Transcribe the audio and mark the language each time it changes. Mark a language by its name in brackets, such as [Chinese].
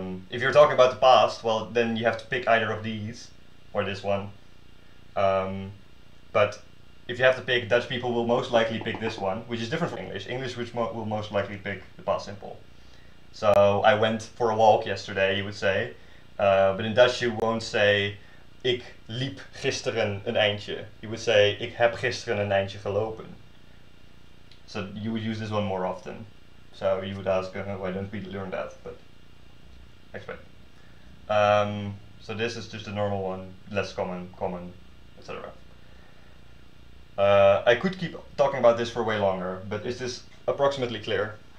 [English] If you're talking about the past, well, then you have to pick either of these, or this one. But if you have to pick, Dutch people will most likely pick this one, which is different from English. English which will most likely pick the past simple. So I went for a walk yesterday, you would say. But in Dutch you won't say, [Dutch] ik liep gisteren een eindje. [English] You would say, [Dutch] ik heb gisteren een eindje gelopen. [English] So you would use this one more often. So you would ask, why don't we learn that? But expect. So this is just a normal one, less common. I could keep talking about this for way longer, but is this approximately clear?